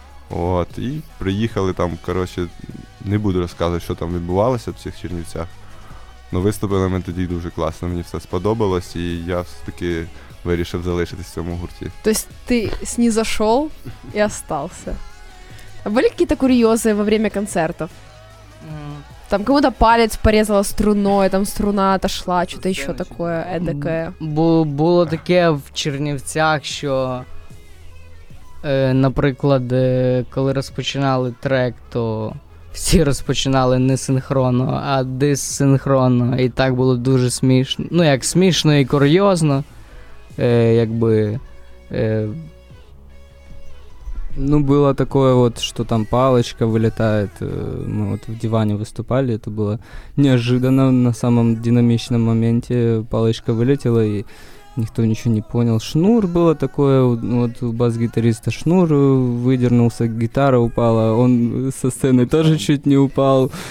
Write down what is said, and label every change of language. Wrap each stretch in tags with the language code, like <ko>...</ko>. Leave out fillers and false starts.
<uk>От, і приїхали там, коротше, не буду розказувати, що там відбувалося в цих Чернівцях. Но виступили ми тоді дуже класно, мені все сподобалось, і я все-таки вирішив залишитись в цьому гурті. Тобто ти знізайшов і залишився?</uk> <ru>А были какие-то курьезы во время концертов? Там кому-то палец порезала струной, там струна отошла, что-то еще такое эдакое. Было</ru> <uk>таке в Чернівцях, що, наприклад, коли розпочинали трек, то всі розпочинали не синхронно, а диссинхронно. І так було дуже смішно. Ну, як смішно і курйозно, якби...</uk> <ru>Ну, было такое вот, что там палочка вылетает, мы вот в диване выступали, это было неожиданно, на самом динамичном моменте палочка вылетела, и никто ничего не понял. Шнур было такое, вот у бас-гитариста шнур выдернулся, гитара упала, он со сцены тоже чуть не упал.</ru>